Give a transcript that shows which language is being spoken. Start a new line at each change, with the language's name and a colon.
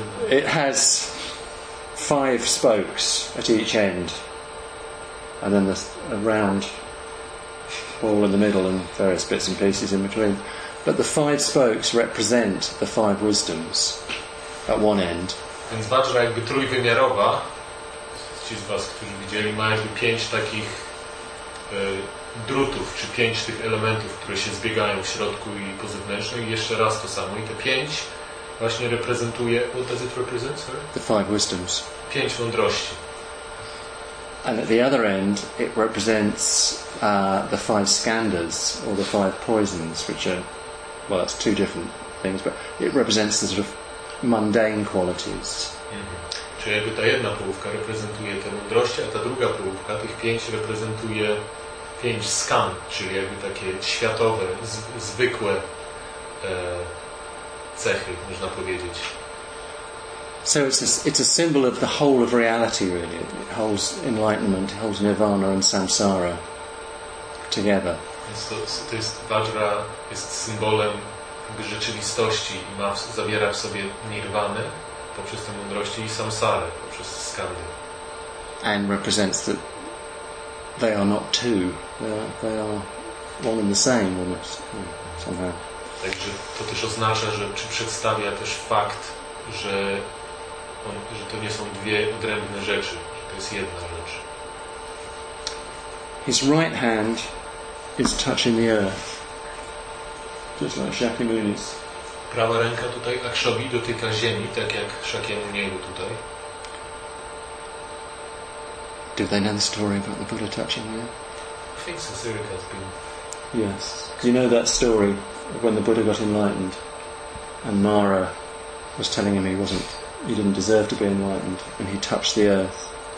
English: It has five spokes at each end, and then a round ball in the middle and various bits and pieces in between. But the five spokes represent the five wisdoms at one end.
Polish: Więc Vajra jakby trójwymiarowa, ci z was, którzy widzieli, ma jakby pięć takich drutów, czy pięć tych elementów, które się zbiegają w środku i po zewnętrznej. Jeszcze raz to samo. I te pięć właśnie reprezentuje...
English: What does it represent, sorry? The five wisdoms.
Polish: Pięć mądrości.
English: And at the other end, it represents the five skandhas, or the five poisons, which are... Well, that's two different things, but it represents the sort of mundane qualities. Mm-hmm.
Polish: Czyli jakby ta jedna połówka reprezentuje te mądrości, a ta druga połówka, tych pięć, reprezentuje pięć skand, czyli jakby takie światowe, zwykłe cechy, można powiedzieć.
English: So it's a symbol of the whole of reality, really. It holds enlightenment, it holds nirvana and samsara together.
Polish: To jest Vajra, jest symbolem rzeczywistości i zawiera w sobie nirwanę poprzez tę mądrość i samsarę poprzez skandy.
English: And represents that they are not two, they are one and the same, almost, somehow.
Polish: Także to też oznacza, że czy przedstawia też fakt, że on, że to nie są dwie odrębne rzeczy, że to jest jedna rzecz.
English: His right hand is touching the earth, just like Shakyamuni's.
Polish: Prawa ręka tutaj Akshobhi dotyka ziemi, tak jak Shakyamuni'ego tutaj.
English: Do they know the story about the Buddha touching the earth? I think Sasirika has been. Yes. Do you know that story of when the Buddha got enlightened and Mara was telling him he didn't deserve to be enlightened and he touched the earth?